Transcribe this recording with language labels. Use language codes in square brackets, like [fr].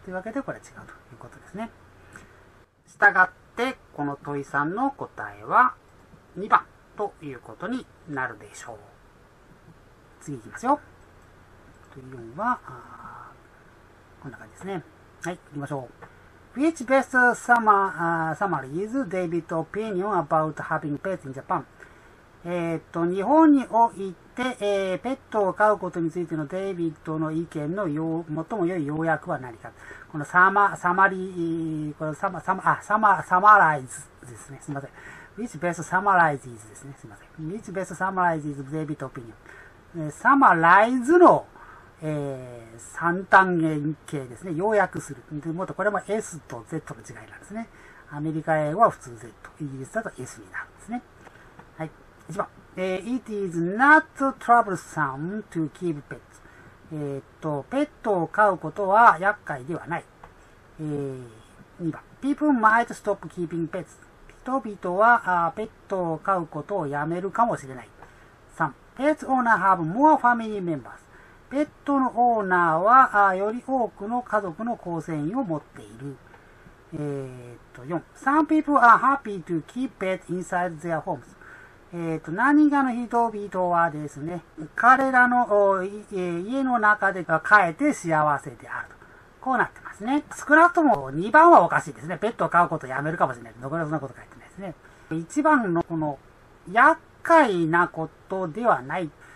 [ja] というわけで、これは違うということですね。したがって、この問いさんの答えは2番ということになるでしょう。次いきますよ。というのは、こんな感じですね。はい、いきましょう。 [en] Which best summary is David's opinion about having pets in Japan? [ja] 日本において、ペットを飼うことについてのデイビッドの意見の最も良い要約は何か。このサマライズですね。すみません。 [en] Which best summarize is [ja] ですね。すみません。 [en] Which best summarize is David's opinion? [ja] サマライズの三単元形ですね。要約する。もっとこれも S と Z の違いなんですね。アメリカ英語は普通 Z。イギリスだと S になるんですね。はい。1番。 [en] It is not troublesome to keep pets. [ja] ペットを飼うことは厄介ではない。2番。 [en] People might stop keeping pets. [ja] 人々はペットを飼うことをやめるかもしれない。 [en] 3. Pet owner have more family members. [ja] ペットのオーナーはより多くの家族の構成員を持っている。 4. [en] Some people are happy to keep pets inside their homes. [ja] 何かの人々はですね、彼らの家の中で飼えて幸せであると。こうなってますね。少なくとも2番はおかしいですね。ペットを飼うことをやめるかもしれない。残りはそんなこと書いてないですね。 1番のこの、厄介なことではない。